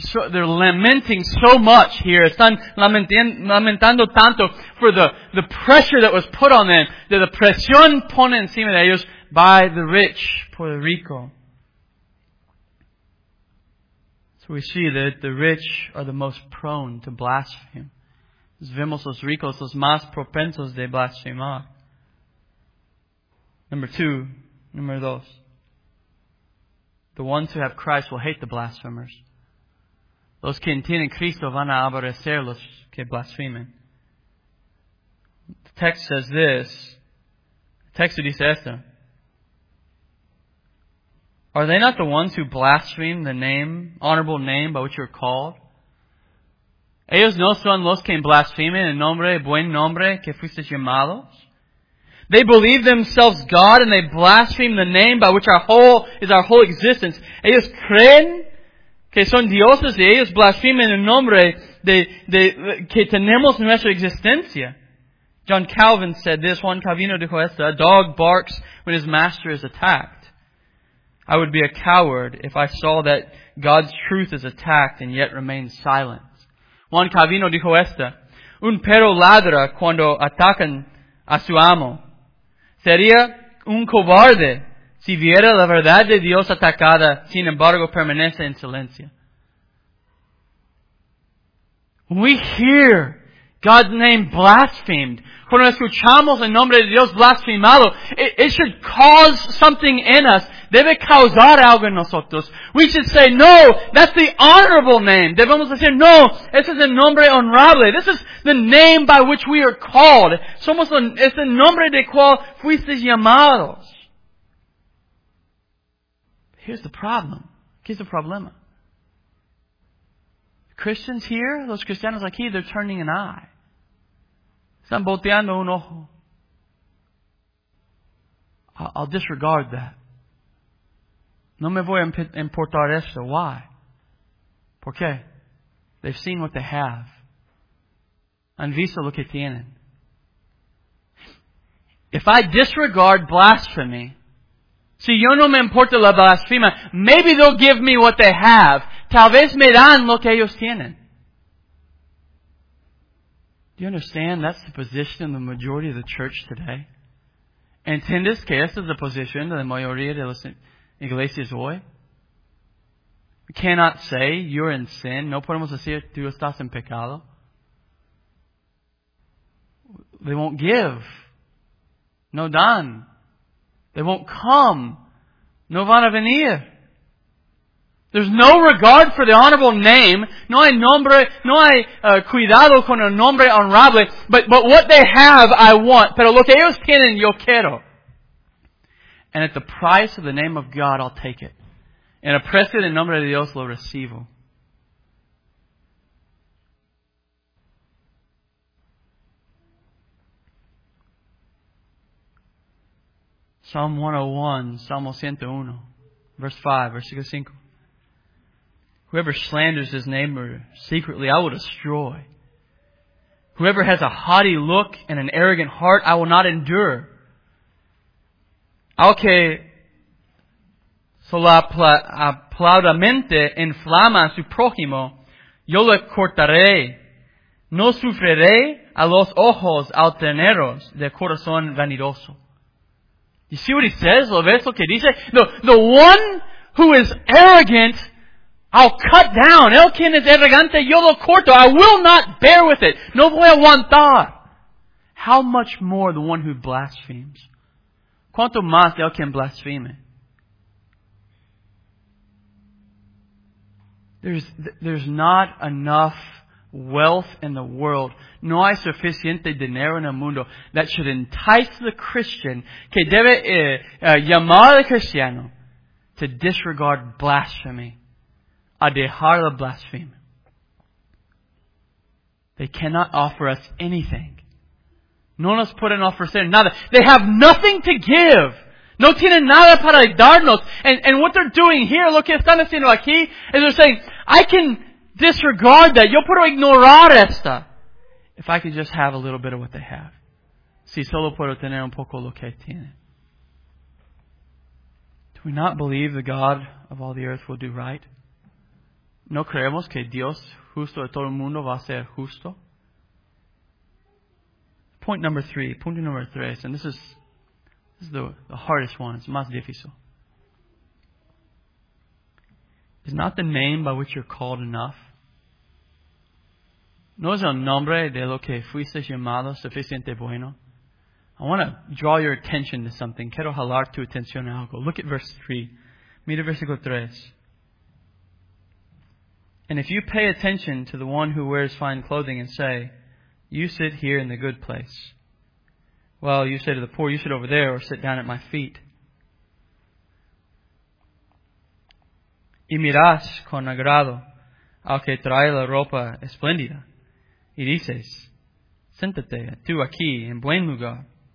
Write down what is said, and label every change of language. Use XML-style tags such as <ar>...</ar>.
<en>they're lamenting so much here.</en> <es>Están lamentando tanto</es> <en>for the pressure that was put on them. That the</en> <es>presión pone encima de ellos</es> <en>by the rich, Puerto Rico. We see that the rich are the most prone to blaspheme.</en> <es>Vemos los ricos, los más propensos de blasfemar.</es> <en>Number</en> <es>dos.</es> <en>The ones who have Christ will hate the blasphemers.</en> <es>Los que tienen Cristo van a aborrecer los que blasfemen.</es> <en>The text says this. The text</en> <es>dice esto.</es> <en>Are they not the ones who blaspheme the name, honorable name by which you are called?</en> <es>Ellos no son los que blasfemen el nombre, buen nombre que fuiste llamados.</es> <en>They believe themselves God and they blaspheme the name by which our whole existence.</en> <es>Ellos creen que son dioses y ellos blasfemen el nombre de que tenemos nuestra existencia.</es> <en>John Calvin said this,</en> <es>Juan Calvino dijo esto,</es> <en>a dog barks when his master is attacked. I would be a coward if I saw that God's truth is attacked and yet remains silent.</en> <es>Juan Calvino dijo esto, un perro ladra cuando atacan a su amo. Sería un cobarde si viera la verdad de Dios atacada, sin embargo, permanece en silencio.</es> <en>We hear God's name blasphemed.</en> <es>Cuando escuchamos el nombre de Dios blasfemado,</es> <en>it should cause something in us.</en> <es>Debe causar algo en nosotros.</es> <en>We should say, no, that's the honorable name.</en> <es>Debemos decir, no, ese es el nombre honorable.</es> <en>This is the name by which we are called.</en> <es>Es el nombre de cual fuiste llamados.</es> <en>Here's the problem.</en> <es>¿Qué es el problema?</es> <en>Christians here,</en> <es>los cristianos aquí,</es> <en>they're turning an eye.</en> <es>Están volteando un ojo.</es> <en>I'll disregard that.</en> <es>No me voy a importar esto.</es> <en>Why?</en> <es>¿Por qué?</es> <en>They've seen what they have.</en> <es>Han visto lo que tienen.</es> <en>If I disregard blasphemy,</en> <es>si yo no me importa la blasfema,</es> <en>maybe they'll give me what they have.</en> <es>Tal vez me dan lo que ellos tienen.</es> <en>Do you understand that's the position of the majority of the church today?</en> <es>¿Entiendes que esta es la posición de la mayoría de las iglesias hoy?</es> <en>We cannot say you're in sin.</en> <es>No podemos decir tú estás en pecado.</es> <en>They won't give.</en> <es>No dan.</es> <en>They won't come.</en> <es>No van a venir.</es> <en>There's no regard for the honorable name.</en> <es>No hay nombre, no hay cuidado con el nombre honorable.</es> <en>But what they have, I want.</en> <es>Pero lo que ellos tienen, yo quiero.</es> <en>And at the price of the name of God, I'll take it.</en> <es>En el precio del nombre de Dios, lo recibo.</es> <en>Psalm 101,</en> <es>Salmo 101,</es> <en>verse 5,</en> <es>versículo 5.</es> <en>Whoever slanders his neighbor secretly, I will destroy. Whoever has a haughty look and an arrogant heart, I will not endure.</en> <es>Aunque solo aplaudamente inflama su prójimo, yo le cortaré. No sufriré a los ojos altaneros de corazón vanidoso.</es> <en>You see what he says?</en> <es>¿Lo ves lo que dice?</es> <en>The one who is arrogant, I'll cut down.</en> <es>El quien es arrogante, yo lo corto.</es> <en>I will not bear with it.</en> <es>No voy a aguantar.</es> <en>How much more the one who blasphemes?</en> <es>¿Cuánto más el quien blasfeme?</es> <en>There's not enough wealth in the world.</en> <es>No hay suficiente dinero en el mundo</es> <en>that should entice the Christian,</en> <es>que debe llamar al cristiano,</es> <en>to disregard blasphemy.</en> <es>A dejar la blasfeme.</es> <en>They cannot offer us anything.</en> <es>No nos pueden ofrecer nada.</es> <en>They have nothing to give.</en> <es>No tienen nada para darnos.</es> <en>And what they're doing here,</en> <es>lo que están haciendo aquí,</es> <en>is they're saying, I can disregard that.</en> <es>Yo puedo ignorar esta.</es> <en>If I could just have a little bit of what they have.</en> <es>Si solo puedo tener un poco lo que tienen.</es> <en>Do we not believe the God of all the earth will do right?</en> <es>¿No creemos que Dios justo de todo el mundo va a ser justo? Punto número tres,</es> <en>and this is the hardest one, it's</en> <es>más difícil.</es> <en>Is not the name by which you're called enough?</en> <es>¿No es el nombre de lo que fuiste llamado suficiente bueno?</es> <en>I want to draw your attention to something.</en> <es>Quiero jalar tu atención a algo.</es> <en>Look at verse 3.</en> <es>Mira versículo 3.</es> <en>And if you pay attention to the one who wears fine clothing and say, you sit here in the good place. Well, you say to the poor, you sit over there or sit down at my feet.</en> <es>Y miras con agrado al que trae la ropa espléndida. Y dices, siéntate tú aquí en buen lugar.</es>